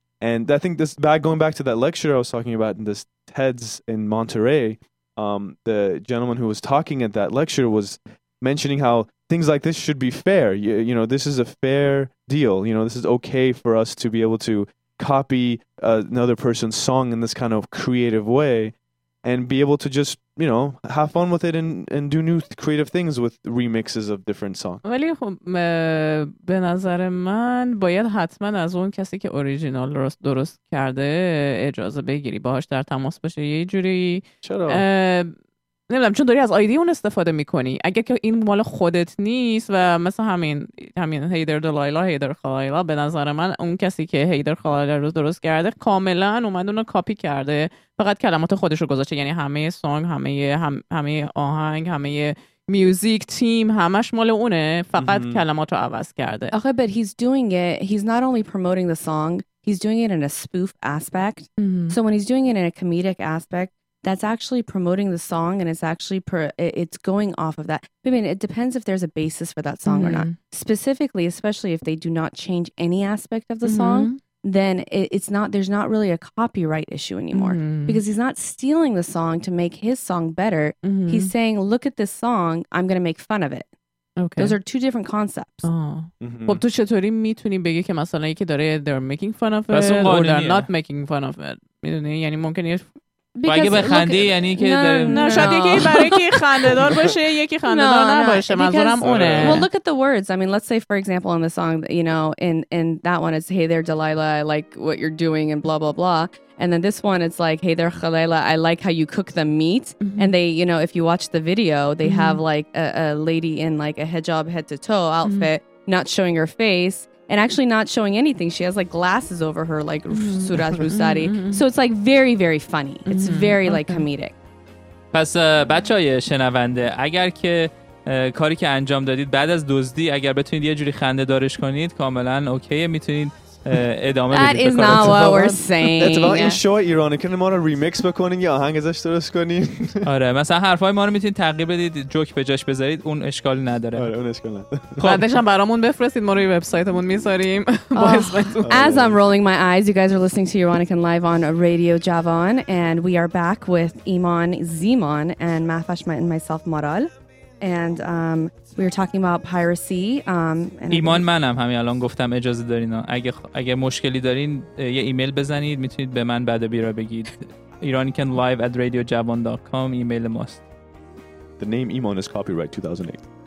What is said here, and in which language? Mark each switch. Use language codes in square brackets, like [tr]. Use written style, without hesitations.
[en] And I think this, going back to that lecture I was talking about in this TEDS in Monterey, the gentleman who was talking at that lecture was mentioning how things like this should be fair. You know, this is a fair deal. You know, this is okay for us to be able to copy another person's song in this kind of creative way and be able to just, you know, have fun with it and do new creative things with remixes of different songs. [fa] ولی خب به نظر من باید حتما از اون کسی که اوریجینال درست کرده اجازه بگیری باهاش در تماس بشه یه جوری. چرا؟ نمیدونم، چون داری از آیدی اون استفاده میکنی. اگه که این مال خودت نیست و مثلا همین Hey There Delilah، Hey There Khalaila، به نظر من اون کسی که Hey There Khalaila رو درست کرده کاملا اومد اون رو کاپی کرده، فقط کلمات خودش رو گذاشته. یعنی همه سانگ، همه آهنگ، همه میوزیک تیم، همش مال اونه، فقط کلمات رو عوض کرده. آخه [en] but he's doing it، he's not only promoting the song، he's doing it in a spoof aspect. So when he's doing it in a comedic aspect، that's actually promoting the song, and it's actually it's going off of that. I mean, it depends if there's a basis for that song mm-hmm. or not. Specifically, especially if they do not change any aspect of the mm-hmm. song, then it's not, there's not really a copyright issue anymore mm-hmm. because he's not stealing the song to make his song better. Mm-hmm. He's saying, look at this song, I'm going to make fun of it. Okay. Those are two different concepts. [fa] خب تو چطوری میتونی بگی که مثلا یکی که داره [en] they're making fun of it or they're not making fun of it. [fa] میدونی یعنی ممکن یه بگه بخندی یعنی که نه شاید یکی برای که خنده دار باشه یکی خنده دار نباشه منظورم اونه. [en] Well look at the words. I mean let's say for example in the song you know in that one it's hey there Delilah I like what you're doing and blah blah blah. And then this one, it's like, hey there, Khalila, I like how you cook the meat. Mm-hmm. And they, you know, if you watch the video, they mm-hmm. have like a lady in like a hijab head to toe outfit, mm-hmm. not showing her face and actually not showing anything. She has like glasses over her, like mm-hmm. Surat Rusari. Mm-hmm. So it's like very, very funny. It's mm-hmm. very okay. like comedic. [fa] پس بچه های شنونده، اگر که کاری که انجام دادید بعد از دزدی، اگر بتونید یه جوری خنده دارش کنید، کاملا اوکیه، میتونید [en] That is not what we're saying. It's about [fa] این شو ایرانی که ما رو ریمیکس بکنین یا آهنگ ازش درست کنین. آره مثلا حرفای ما رو میتونید تغییر بدید، جوک به جاش بذارید، اون اشکالی نداره. آره اون اشکال نداره. خب بعدش هم برامون بفرستید، ما روی وبسایتمون میذاریم با اسمتون. [en] As I'm rolling my eyes, you guys are listening to Ironican live on Radio Javan and we are back with Iman Zeman and Mahfashma and myself Maral. And we were talking about piracy. [fa] ایمان منم همین الان گفتم اجازه دارین اگه مشکلی دارین یه ایمیل بزنید میتونید به من بعد بیرا بگید. iranicanlive@radiojavan.com ایمیل ماست. [en] The name Iman is copyright 2008.